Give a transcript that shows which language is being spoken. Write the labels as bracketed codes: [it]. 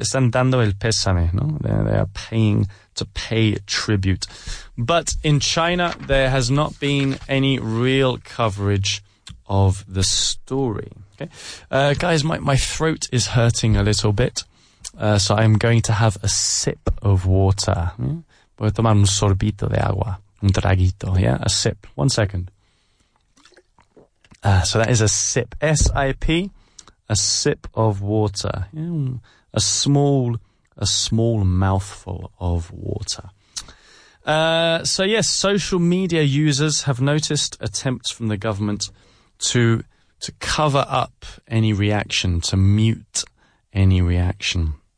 [es] Están dando el pésame, no? [en] They are paying to pay tribute. But in China, there has not been any real coverage of the story. Okay, guys, my throat is hurting a little bit. So I'm going to have a sip of water. [es] Voy a tomar un sorbito de agua. Un traguito, [en] yeah? A sip. 1 second. So that is a sip, S-I-P, a sip of water, a small mouthful of water. So social media users have noticed attempts from the government to cover up any reaction, to mute any reaction.